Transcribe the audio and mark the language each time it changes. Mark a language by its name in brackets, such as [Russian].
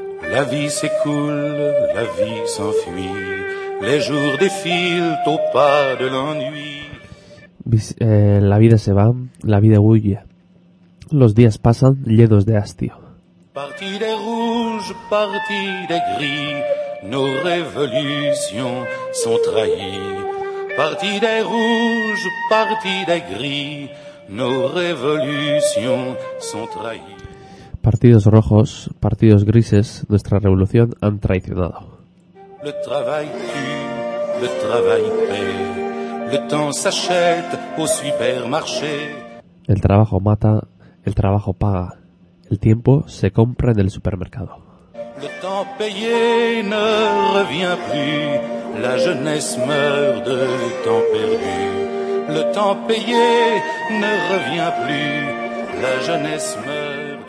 [French] La vie s'écoule, la vie s'enfuit, les jours défilent au pas de l'ennui. [Spanish] La vida se va, la vida huye, los días pasan llenos de hastío. [French] Parti des rouges, parti des gris, nos révolutions sont trahies. Parti des rouges, parti des gris, nos révolutions sont trahies. [Spanish] Partidos rojos, partidos grises, nuestra revolución han traicionado. [French] Le travail tue, le travail paie, le temps s'achète au supermarché. [Spanish] El trabajo mata, el trabajo paga, el tiempo se compra en el supermercado. [French] Le temps payé ne revient plus, la jeunesse meurt de temps perdu. Le temps payé ne revient plus, la jeunesse meurt.